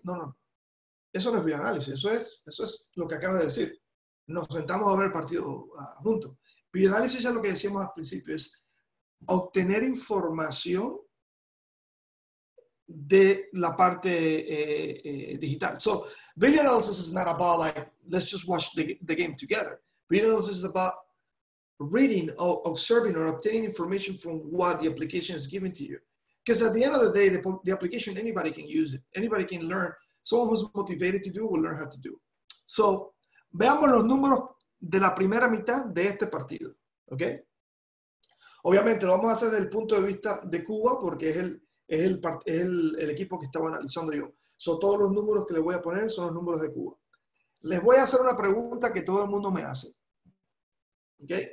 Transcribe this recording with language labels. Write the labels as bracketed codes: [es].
[es] No, eso no es video análisis, eso es lo que acabas de decir. Nos sentamos a ver el partido juntos. Video análisis es lo que decíamos al principio, es obtener información de la parte digital. [en] So, video analysis is not about like, let's just watch the game together. Video analysis is about reading or observing or obtaining information from what the application is giving to you. Because at the end of the day, the application, anybody can use it. Anybody can learn. Someone who's motivated to do will learn how to do. [es] So, veamos los números de la primera mitad de este partido. Okay? Obviamente, lo vamos a hacer desde el punto de vista de Cuba, porque es el equipo que estaba analizando yo. So, todos los números que le voy a poner son los números de Cuba. Les voy a hacer una pregunta que todo el mundo me hace. ¿Ok?